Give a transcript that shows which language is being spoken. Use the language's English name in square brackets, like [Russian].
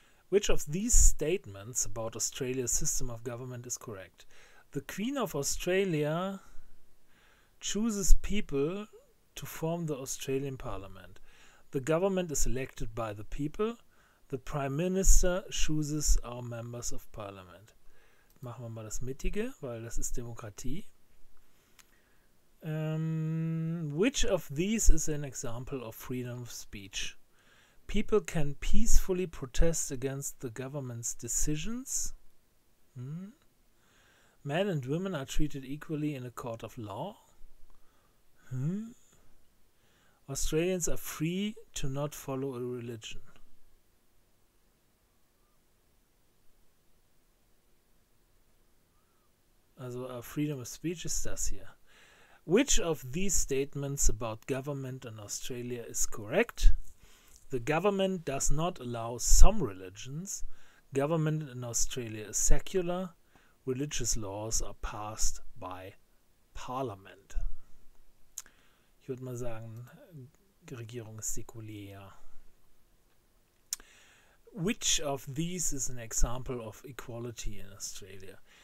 [English] Which of these statements about Australia's system of government is correct? The Queen of Australia chooses people to form the Australian Parliament. The government is elected by the people. The Prime Minister chooses our members of parliament. [German] Machen wir mal das Mittige, weil das ist Demokratie. [English] Which of these is an example of freedom of speech? People can peacefully protest against the government's decisions. Men and women are treated equally in a court of law. Australians are free to not follow a religion. Also freedom of speech [German] ist das hier. [English] Which of these statements about government in Australia is correct? The government does not allow some religions. Government in Australia is secular. Religious laws are passed by parliament. [German] Ich würde mal sagen, die Regierung ist säkulär. [English] Which of these is an example of equality in Australia?